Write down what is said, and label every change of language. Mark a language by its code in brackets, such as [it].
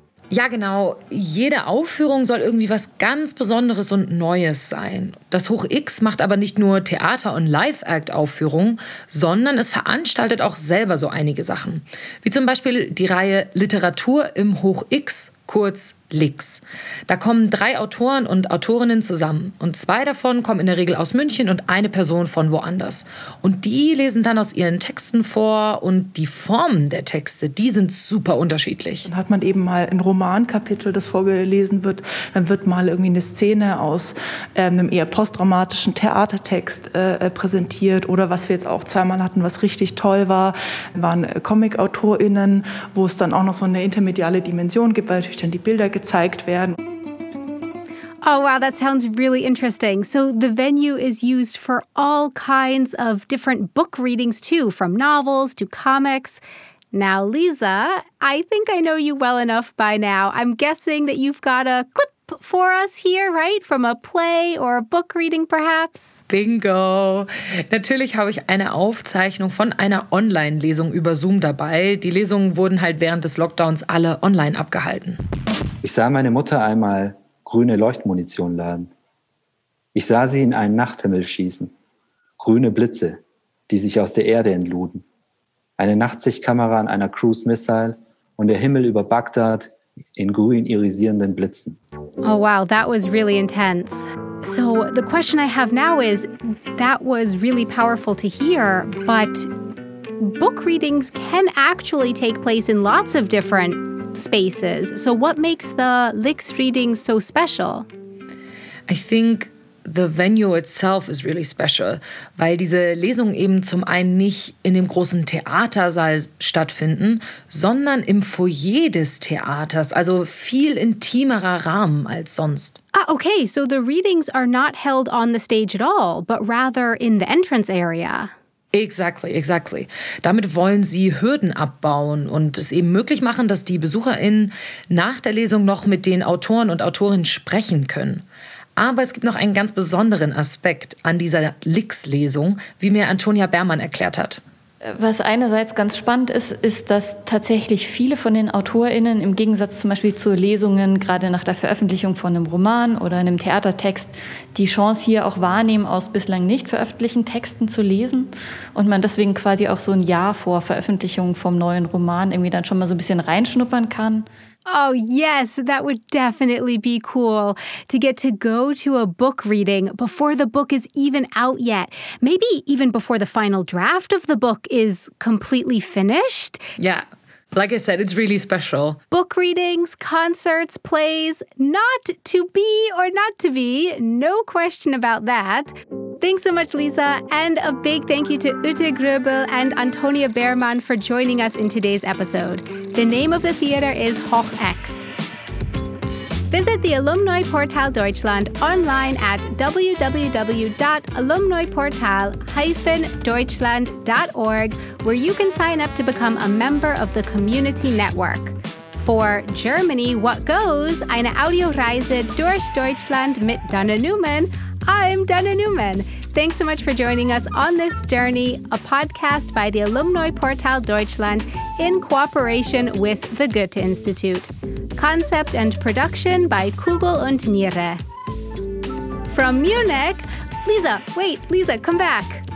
[de] Ja, genau. Jede Aufführung soll irgendwie was ganz Besonderes und Neues sein. Das Hoch X macht aber nicht nur Theater- und Live-Act-Aufführungen, sondern es veranstaltet auch selber so einige Sachen. Wie zum Beispiel die Reihe Literatur im Hoch X, kurz LIX. Da kommen drei Autoren und Autorinnen zusammen. Und zwei davon kommen in der Regel aus München und eine Person von woanders. Und die lesen dann aus ihren Texten vor und die Formen der Texte, die sind super unterschiedlich. Dann hat man eben mal ein Romankapitel, das vorgelesen wird. Dann wird mal irgendwie eine Szene aus einem eher postdramatischen Theatertext präsentiert. Oder was wir jetzt auch zweimal hatten, was richtig toll war, waren Comic-AutorInnen, wo es dann auch noch so eine intermediale Dimension gibt, weil natürlich dann die Bilder gezeigt werden. [en] Oh, wow, that sounds really interesting. So the venue is used for all kinds of different book readings too, from novels to comics. Now, Lisa, I think I know you well enough by now. I'm guessing that you've got a clip for us here, right? From a play or a book reading perhaps? Bingo. [de] Natürlich habe ich eine Aufzeichnung von einer Online-Lesung über Zoom dabei. Die Lesungen wurden halt während des Lockdowns alle online abgehalten. Ich sah meine Mutter einmal grüne Leuchtmunition laden. Ich sah sie in einen Nachthimmel schießen. Grüne Blitze, die sich aus der Erde entluden. Eine Nachtsichtkamera an einer Cruise Missile und der Himmel über Bagdad in grün irisierenden Blitzen. [en] Oh wow, that was really intense. So the question I have now is, that was really powerful to hear, but book readings can actually take place in lots of different spaces. So what makes the LIX reading so special? I think the venue itself is really special, [de] weil diese Lesungen eben zum einen nicht in dem großen Theatersaal stattfinden, sondern im Foyer des Theaters, also viel intimerer Rahmen als sonst. [en] Ah, okay, so the readings are not held on the stage at all, but rather in the entrance area. Exactly, exactly. [de] Damit wollen sie Hürden abbauen und es eben möglich machen, dass die BesucherInnen nach der Lesung noch mit den Autoren und Autorinnen sprechen können. Aber es gibt noch einen ganz besonderen Aspekt an dieser LIX-Lesung, wie mir Antonia Bermann erklärt hat. Was einerseits ganz spannend ist, ist, dass tatsächlich viele von den AutorInnen im Gegensatz zum Beispiel zu Lesungen gerade nach der Veröffentlichung von einem Roman oder einem Theatertext die Chance hier auch wahrnehmen, aus bislang nicht veröffentlichten Texten zu lesen und man deswegen quasi auch so ein Jahr vor Veröffentlichung vom neuen Roman irgendwie dann schon mal so ein bisschen reinschnuppern kann. [en] Oh yes, that would definitely be cool to get to go to a book reading before the book is even out yet. Maybe even before the final draft of the book is completely finished. Yeah, like I said, it's really special. Book readings, concerts, plays, not to be or not to be, no question about that. Thanks so much, Lisa, and a big thank you to Ute Gröbel and Antonia Bermann for joining us in today's episode. The name of the theater is Hoch X. Visit the Alumni Portal Deutschland online at www.alumniportal-deutschland.org, where you can sign up to become a member of the community network. For Germany, what goes? [de] Eine Audioreise durch Deutschland mit Dana Newman. [en] I'm Dana Newman. Thanks so much for joining us on this journey, a podcast by the Alumni Portal Deutschland in cooperation with the Goethe-Institut. Concept and production by Kugel und Niere. From Munich, Lisa, wait, Lisa, come back.